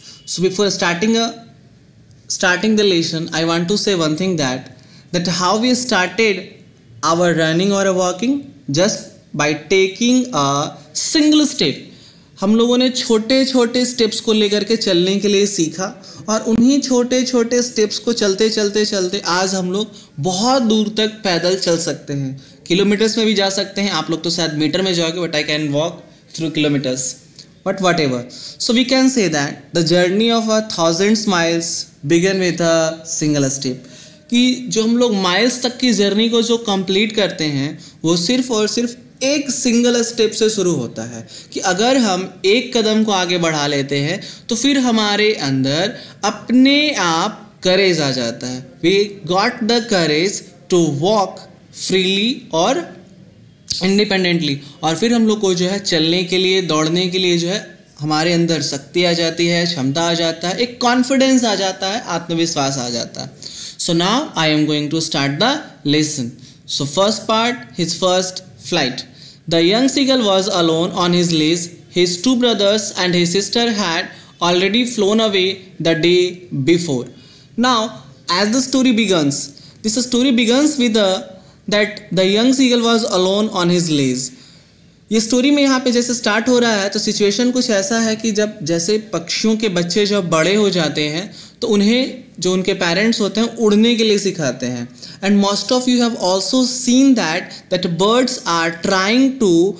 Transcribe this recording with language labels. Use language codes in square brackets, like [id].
[en] so before starting the lesson I want to say one thing that how we started our running और walking just By taking a single step, [hi] हम लोगों ने छोटे छोटे steps को लेकर के चलने के लिए सीखा और उन्हीं छोटे छोटे steps को चलते चलते चलते आज हम लोग बहुत दूर तक पैदल चल सकते हैं kilometers में भी जा सकते हैं. आप लोग तो शायद meter में जाओगे [en] but I can walk through kilometers. But whatever. So we can say that the journey of a thousand miles began with a single step. [hi] कि जो हम लोग miles तक की journey को जो complete करते हैं वो सिर्फ और सिर्फ एक सिंगल स्टेप से शुरू होता है. कि अगर हम एक कदम को आगे बढ़ा लेते हैं तो फिर हमारे अंदर अपने आप करेज आ जाता है. [en] we got the courage to walk freely [hi] और इंडिपेंडेंटली और फिर हम लोग को जो है चलने के लिए दौड़ने के लिए जो है हमारे अंदर शक्ति आ जाती है क्षमता आ जाता है एक कॉन्फिडेंस आ जाता है आत्मविश्वास आ जाता है. [en] So now I am going to start the lesson. So first part his first Flight. The young seagull was alone on his lease. His two brothers and his sister had already flown away the day before. Now, as the story begins, this story begins with that the young seagull was alone on his lease. [hi] ये story में यहाँ पे जैसे start हो रहा है तो situation कुछ ऐसा है कि जब जैसे पक्षियों के बच्चे जब बड़े हो जाते हैं तो उन्हें जो उनके पेरेंट्स होते हैं उड़ने के लिए सिखाते हैं. [en] and most of you have also seen that birds are trying to